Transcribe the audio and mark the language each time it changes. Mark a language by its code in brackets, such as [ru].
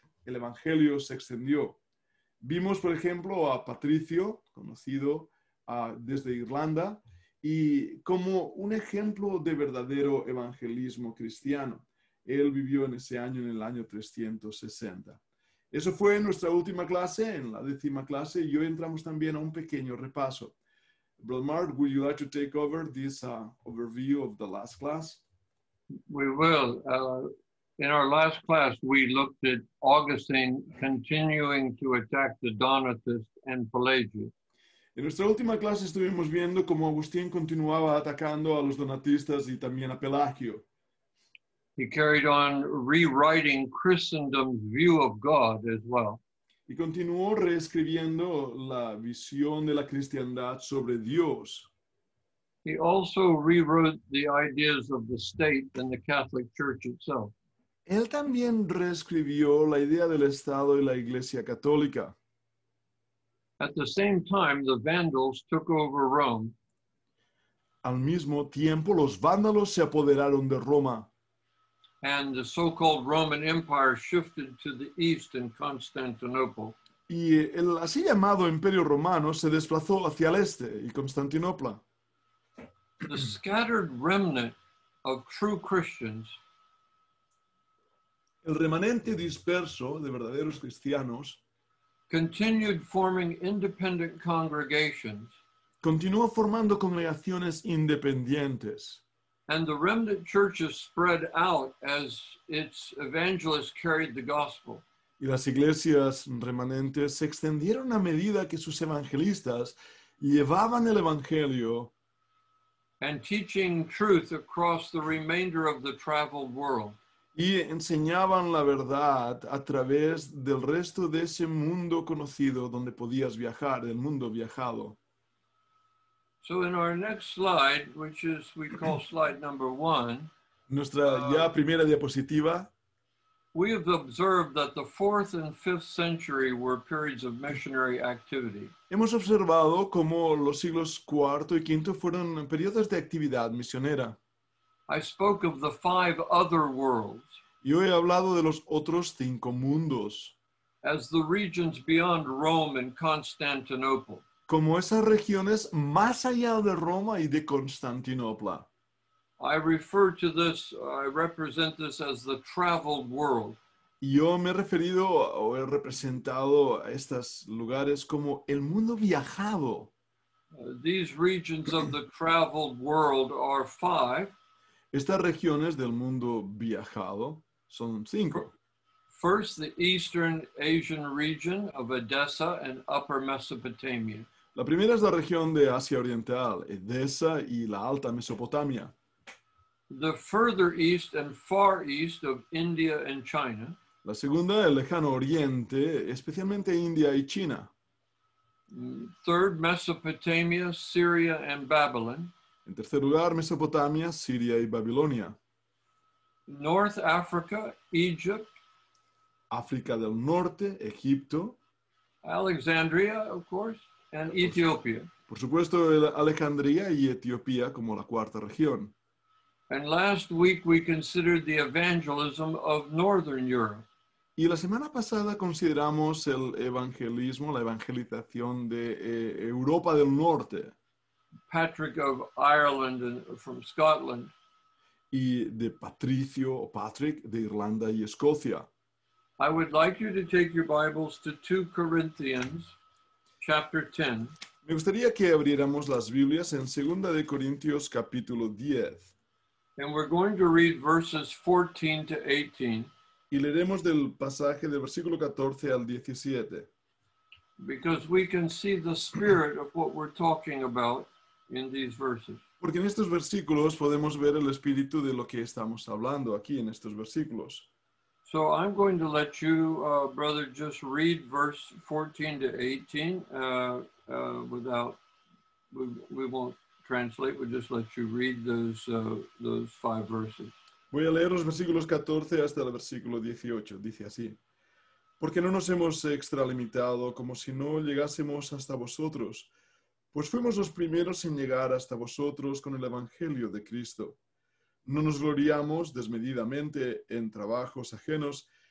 [es] el Evangelio se extendió. Vimos, por ejemplo, a Patricio, conocido desde Irlanda, y como un ejemplo de verdadero evangelismo cristiano. Él vivió en ese año, en el año 360. Eso fue en nuestra última clase, en la décima clase, y hoy entramos también a un pequeño repaso. [en] Brother Mark, would you like to take over this overview of the last class? We will. In our last class, we looked at Augustine continuing to attack the Donatists and Pelagius. [es] En nuestra última clase estuvimos viendo cómo Agustín continuaba atacando a los donatistas y también a Pelagio. [en] He carried on rewriting Christendom's view of God as well. [es] Y continuó reescribiendo la visión de la cristiandad sobre Dios. [en] He also rewrote the ideas of the state and the Catholic Church itself. [es] Él también reescribió la idea del Estado y la Iglesia Católica. [en] At the same time, the Vandals took over Rome. [es] Al mismo tiempo, los Vándalos se apoderaron de Roma. [en] And the so-called Roman Empire shifted to the east in Constantinople. [es] Y el así llamado Imperio Romano se desplazó hacia el este y Constantinopla. [en] The scattered remnant of true Christians. [es] El remanente disperso de verdaderos cristianos [en] continued forming independent congregations. [es] Continuó formando congregaciones independientes. [en] And the remnant churches spread out as its evangelists carried the gospel. [es] Y las iglesias remanentes se extendieron a medida que sus evangelistas llevaban el evangelio [en] and teaching truth across the remainder of the traveled world. [es] Y enseñaban la verdad a través del resto de ese mundo conocido donde podías viajar, del mundo viajado. [en] So in our next slide, which is we call slide number one. [es] Nuestra ya primera diapositiva. [en] We have observed that the 4th and 5th century were periods of missionary activity. [es] Hemos observado cómo los siglos 4 y 5 fueron periodos de actividad misionera. [en] I spoke of the 5 other worlds. [es] Yo he hablado de los otros 5 mundos. [en] As the regions beyond Rome and Constantinople. [es] Como esas regiones más allá de Roma y de Constantinopla. [en] I refer to this, I represent this as the traveled world. [es] Yo me he referido o he representado a estos lugares como el mundo viajado. [en] These regions of the traveled world are 5. [es] Estas regiones del mundo viajado son 5. [en] First, the Eastern Asian region of Edessa and Upper Mesopotamia. [es] La primera es la región de Asia Oriental, Edessa y la Alta Mesopotamia. [en] The further east and far east of India and China. [es] La segunda, el lejano oriente, especialmente India y China. [en] Third, Mesopotamia, Syria and Babylon. [es] En tercer lugar, Mesopotamia, Siria y Babilonia. [en] North Africa, Egypt. [es] África del Norte, Egipto. [en] Alexandria, of course, and Ethiopia. [es] Por supuesto, Alejandría y Etiopía como la cuarta región. [en] And last week we considered the evangelism of Northern Europe. [es] Y la semana pasada consideramos el evangelismo, la evangelización de Europa del Norte. [en] Patrick of Ireland and from Scotland. [es] Y de Patricio o Patrick de Irlanda y Escocia. [en] I would like you to take your Bibles to 2 Corinthians chapter 10. [es] Me gustaría que abriéramos las Biblias en 2 de Corintios capítulo 10. [en] And we're going to read verses 14 to 18. [es] Y leeremos del pasaje del versículo 14 al 17. [en] Because we can see the spirit of what we're talking about. In these verses. [es] Porque en estos versículos podemos ver el espíritu de lo que estamos hablando aquí en estos versículos. [en] So I'm going to let you, brother, just read verse 14 to 18 without, we won't translate, we'll just let you read those 5 verses. [es] Voy a leer los versículos 14 hasta el versículo 18, dice así. Porque no nos hemos extralimitado como si no llegásemos hasta vosotros. Pues fuimos los primeros en llegar hasta vosotros con el Evangelio de Cristo. No nos gloriamos desmedidamente en trabajos ajenos,